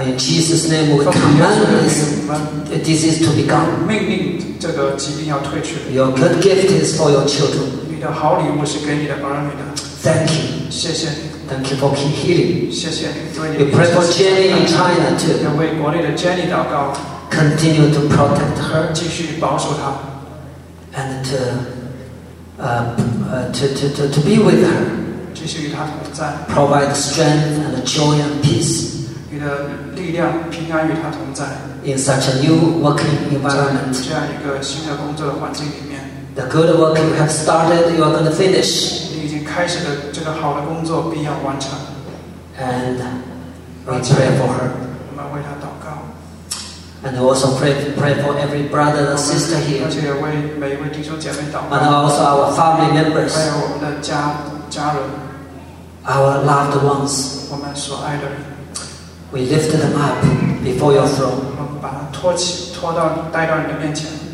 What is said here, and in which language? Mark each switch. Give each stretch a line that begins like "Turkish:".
English: and in Jesus' name, we command this disease to be gone.
Chinese: 命令这个疾病要退去,
English: your good gift is for your children.
Chinese: 你的好礼物是给你的儿女的,
English: thank you.
Chinese: 谢谢你,
English: thank you for King healing.
Chinese: 谢谢你,
English: we pray for Jenny in China too.
Chinese: 也为国内的Jenny祷告,
English: continue to protect her.
Chinese: 继续保守她,
English: and to be with her.
Chinese: 继续与她同在,
English: provide strength and joy and peace.
Chinese: 你的力量平安与她同在,
English: in such a new working environment.
Chinese: 这样一个新的工作的环境里面,
English: the good work you have started, you are going to finish.
Chinese: 开始的这个好的工作必要完成,
English: and we pray for her.
Chinese: 我们为她祷告,
English: and also pray for every brother and sister here,
Chinese: 而且为每一位弟兄姐妹祷告,
English: and also our family members,
Chinese: 还有我们的家人,
English: our loved ones,
Chinese: 我们所爱的人,
English: we lift them up before your throne.
Chinese: 我们把他托起, 托到你, 带到你的面前,